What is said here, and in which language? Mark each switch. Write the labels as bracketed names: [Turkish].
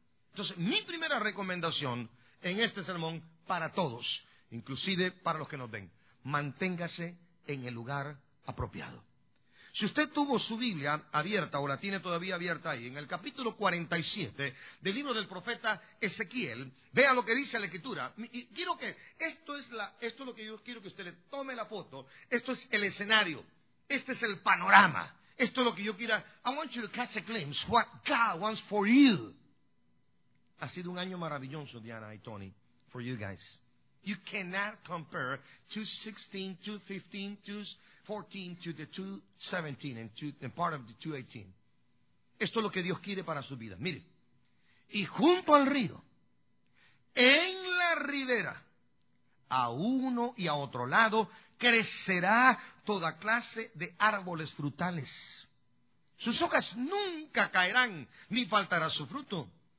[Spanish] Entonces, mi primera recomendación en este sermón para todos, inclusive para los que nos ven, manténgase en el lugar apropiado. Si usted tuvo su Biblia abierta o la tiene todavía abierta ahí, en el capítulo 47 del libro del profeta Ezequiel, vea lo que dice la Escritura. Y quiero que esto es lo que yo quiero que usted le tome la foto. Esto es el escenario. Este es el panorama. Esto es lo que yo quiera. [English] I want you to catch a glimpse what God wants for you. [Spanish] Ha sido un año maravilloso, [English] Diana y Tony, for you guys. You cannot compare 2016, 2015, 2014 to the 2017 and part of the 2018. [Spanish] Esto es lo que Dios quiere para su vida. Mire, y junto al río, en la ribera, a uno y a otro lado, crecerá toda clase de árboles frutales. Sus hojas nunca caerán, ni faltará su fruto.